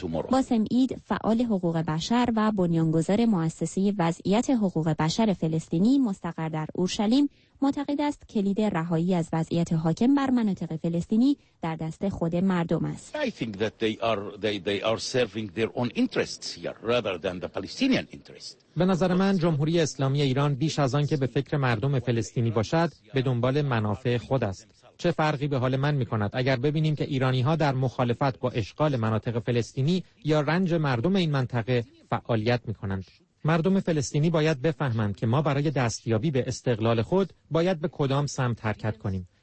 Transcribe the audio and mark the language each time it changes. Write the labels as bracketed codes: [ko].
[fa] باسم اید فعال حقوق بشر و بنیانگذار مؤسسه وضعیت حقوق بشر فلسطینی مستقر در اورشلیم معتقد است کلید رهایی از وضعیت حاکم بر مناطق فلسطینی در دست خود مردم است. [en] I think that they are serving their own interests here rather than the Palestinian interest. [fa] به نظر من جمهوری اسلامی ایران بیش از آن که به فکر مردم فلسطینی باشد به دنبال منافع خود است. چه فرقی به حال من می‌کند اگر ببینیم که ایرانی‌ها در مخالفت با اشغال مناطق فلسطینی یا رنج مردم این منطقه فعالیت می‌کنند. مردم فلسطینی باید بفهمند که ما برای دستیابی به استقلال خود باید به کدام سمت حرکت کنیم.